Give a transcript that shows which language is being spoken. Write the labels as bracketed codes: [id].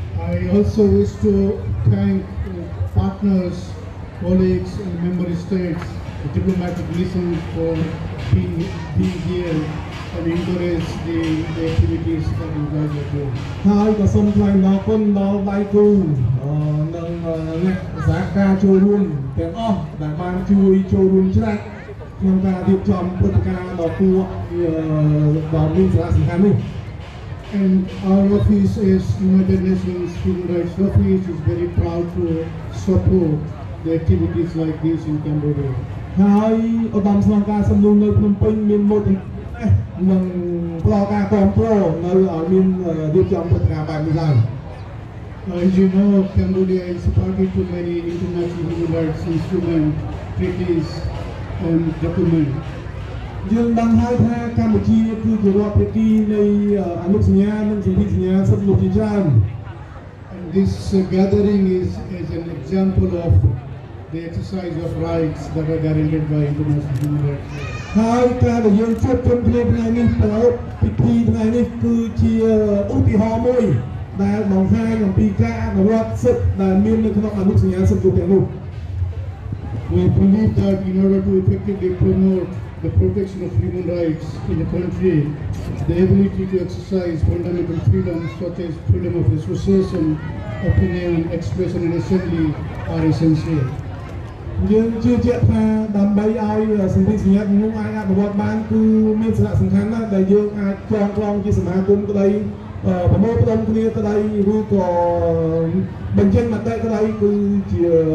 [en] I also wish to thank partners, colleagues and member states, the diplomatic mission for being here and encourage the activities that we are going to do. [km] ហើយក៏សូមថ្លែងអរគុណដល់ដៃគូនិងអ្នកសហការចូលរួមទាំងអស់ដែលបានជួយចូលរួមច្រើនក្នុងការរៀបចំព្រឹត្តិការណ៍ដ៏គួរដ៏មានសារៈសំខាន់នេះ [en] And our office is United Nations Human Rights Office is very proud to support the activities like this in Cambodia [km] ហើយឧត្តមស្នងការសំណួរនៅភ្នំពេញមានមោទនភាពនិងផ្ដល់ការគាំទ្រនៅឲ្យមានរៀបចំព្រឹត្តិការណ៍បែបនេះឡើង [en] As you know, Cambodia is party to many international human rights instruments, treaties, and documents. [km] យើងបានហៅថាកម្ពុជាគឺជារដ្ឋភាគីនៃអនុសញ្ញានិងសន្ធិសញ្ញាសិទ្ធិមនុស្សជាច្រើន [en] And this gathering is an example of the exercise of rights that are guaranteed by international human rights. [km] ហើយការដែលយើងជួបជុំគ្នាថ្ងៃនេះពិធីថ្ងៃនេះគឺជាឧទាហរណ៍មួយដែលបង្ហាញអំពីការអនុវត្តសិទ្ធិដែលមាននៅក្នុងអនុសញ្ញាសិទ្ធិទាំងនោះ [en] We believe that in order to effectively promote the protection of human rights in a country, the ability to exercise fundamental freedoms such as freedom of association, opinion, expression and assembly are essential. [km] យើងជឿជាក់ថាដើម្បីឲ្យសន្ធិសញ្ញាទាំងនោះអាចអនុវត្តបានគឺមានសារៈសំខាន់ណាស់ដែលយើងអាចចងក្រងជាសមាគមក្តីប្រមូលផ្ដុំគ្នាក្តីឬក៏បញ្ចេញមតិក្តីគឺជា